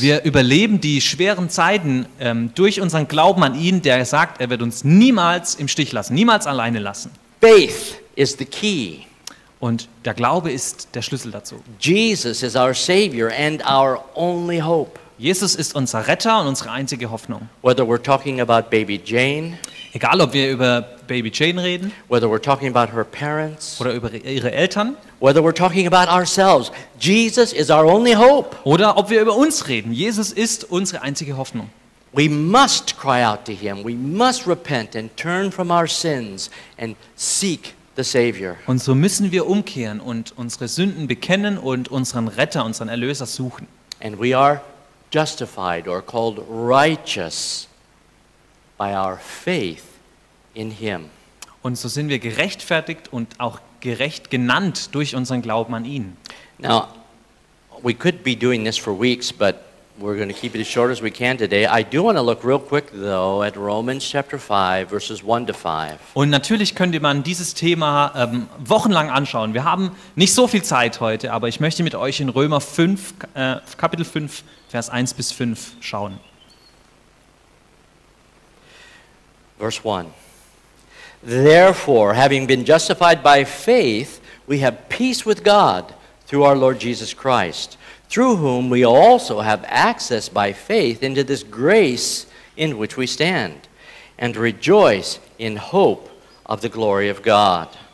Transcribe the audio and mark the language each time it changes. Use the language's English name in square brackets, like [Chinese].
[German] Wir überleben die schweren Zeiten durch unseren Glauben an ihn, der sagt, er wird uns niemals im Stich lassen, niemals alleine lassen. [English] Faith is the key. [German] Und der Glaube ist der Schlüssel dazu. [English] Jesus is our savior and our only hope. [German] Jesus ist unser Retter und unsere einzige Hoffnung. [English] Whether we're talking about baby Jane, [German] egal ob wir über Baby Jane reden, [English] whether we're talking about her parents, [German] oder über ihre Eltern, [English] whether we're talking about ourselves, Jesus is our only hope, [German] oder ob wir über uns reden, Jesus ist unsere einzige Hoffnung. [English] We must cry out to him, we must repent and turn from our sins and seek the Savior. [German] Und so müssen wir umkehren und unsere Sünden bekennen und unseren Retter, unseren Erlöser suchen. [English] And we are justified or called righteous by our faith in him. [German] Und so sind wir gerechtfertigt und auch gerecht genannt durch unseren Glauben an ihn. [English] Now, we could be doing this for weeks, but we're going to keep it as short as we can today. I do want to look real quick though at Romans chapter 5 verses 1 to 5. [German] Und natürlich könnte man dieses Thema wochenlang anschauen. Wir haben nicht so viel Zeit heute, aber ich möchte mit euch in Römer 5 Kapitel 5 Vers 1 bis 5 schauen. [English] Verse 1. Therefore, having been justified by faith, we have peace with God through our Lord Jesus Christ, through whom we also have access by faith into this grace in which we stand, and rejoice in hope of the glory of God.